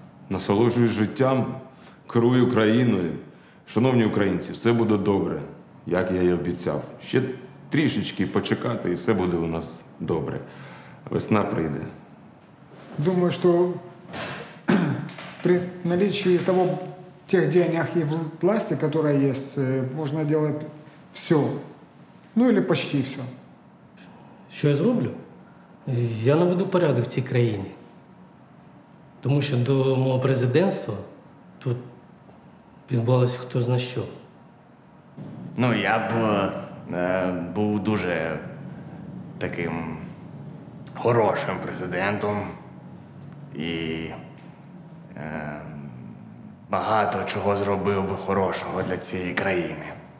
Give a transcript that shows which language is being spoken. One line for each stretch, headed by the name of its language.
Ukrainian: Насолоджуюсь життям, керую країною. Шановні українці, все буде добре, як я й обіцяв. Ще трішечки почекати, і все буде у нас добре. Весна прийде.
Russian: Думаю, що при наличии того... В тех деньгах и власти, которая есть, можно делать все. Ну или почти все. Что я сделаю? Я наведу порядок в этой стране. Потому что до моего президентства тут відбувалося кто знает что.
Ukrainian: Ну, я б був дуже таким хорошим президентом. І... Багато чого зробив би хорошого для цієї країни.